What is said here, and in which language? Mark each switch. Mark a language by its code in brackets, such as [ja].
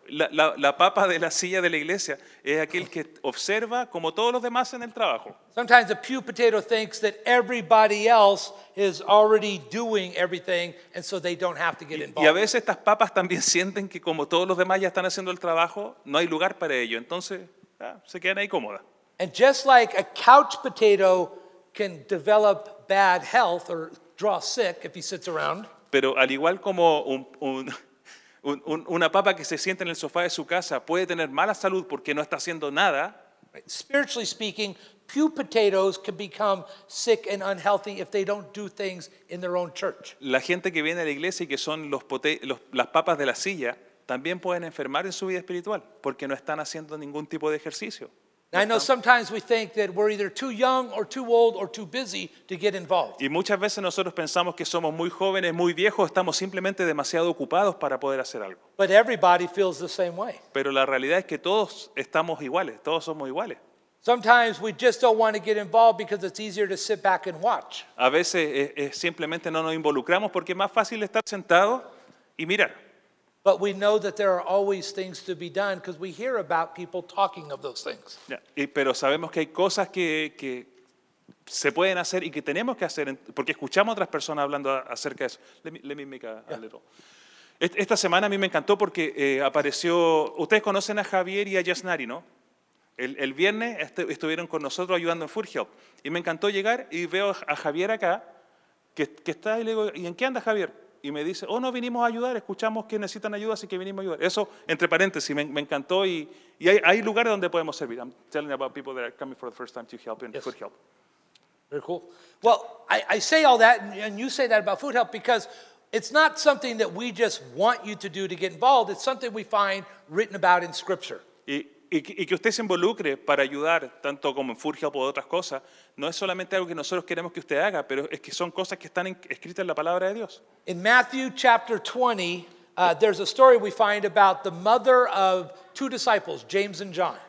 [es] La papa de la silla de la iglesia es aquel que observa como todos los demás en el trabajo. [en] Sometimes a pew potato thinks that everybody else is already doing everything and so they don't have to get involved. [es] Y a veces estas papas también sienten que como todos los demás ya están haciendo el trabajo, no hay lugar para ello. Entonces, se quedan ahí cómodas. [en] And just like a couch potato can develop bad health or draw sick if he sits around. [es] Pero al igual como una papa que se sienta en el sofá de su casa puede tener mala salud porque no está haciendo nada. [en] Spiritually speaking, pew potatoes can become sick and unhealthy if they don't do things in their own church. [es] La gente que viene a la iglesia y que son las papas de la silla también pueden enfermar en su vida espiritual porque no están haciendo ningún tipo de ejercicio. [en] I know sometimes we think that we're either too young or too old or too busy to get involved. [es] Y muchas veces nosotros pensamos que somos muy jóvenes, muy viejos, estamos simplemente demasiado ocupados para poder hacer algo. [en] But everybody feels the same way. [es] Pero la realidad es que todos estamos iguales, todos somos iguales. [en] Sometimes we just don't want to get involved because it's easier to sit back and watch. [es] A veces simplemente no nos involucramos porque es más fácil estar sentado y mirar. [en] But we know that there are always things to be done because we hear about people talking of those things. Yeah. [es] Pero sabemos que hay cosas que se pueden hacer y que tenemos que hacer porque escuchamos otras personas hablando acerca de eso. [en] Let me make a little. [es] Esta semana a mí me encantó porque apareció. Ustedes conocen a Javier y a Yasnari, ¿no? El viernes estuvieron con nosotros ayudando en Food Help y me encantó llegar y veo a Javier acá que está y le digo, ¿y en qué anda Javier? Y me dice, oh, no, vinimos a ayudar, escuchamos que necesitan ayuda, así que vinimos a ayudar. Eso, entre paréntesis, me encantó y hay lugares donde podemos servir. [en] I'm telling you about people that are coming for the first time to help and yes. Food help. Very cool. Well, I say all that, and you say that about Food Help, because it's not something that we just want you to do to get involved. It's something we find written about in Scripture. [es] Y que usted se involucre para ayudar, tanto como en Food Help o otras cosas, no es solamente algo que nosotros queremos que usted haga, pero es que son cosas que están escritas en la Palabra de Dios. [en] In Matthew chapter 20, there's a story we find about the mother of two disciples, James and John.